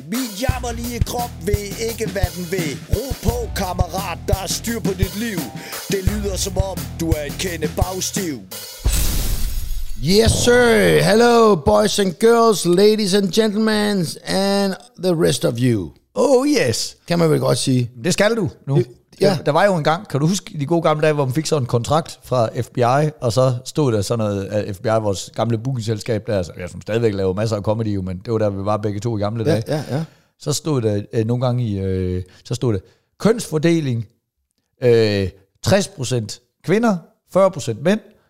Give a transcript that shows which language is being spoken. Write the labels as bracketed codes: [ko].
[da] Min jammerlige krop ved ikke, hvad den ved. Ro på, kammerat. Der er styr på dit liv. Det lyder som om, du er en kende bagstiv. [en] Yes, sir. Hello, boys and girls, ladies and gentlemen, and the rest of you. Oh, yes. [da] Kan man vel godt sige. Det skal du nu. Ja. Der var jo en gang, kan du huske de gode gamle dage, hvor man fik sådan en kontrakt fra FBI, og så stod der sådan noget, FBI, vores gamle bookingselskab der, altså, ja, som stadigvæk laver masser af comedy, men det var der, vi var begge to i gamle dage. Ja, ja. Så stod der nogle gange i, så stod der, kønsfordeling, 60% kvinder, 40% mænd.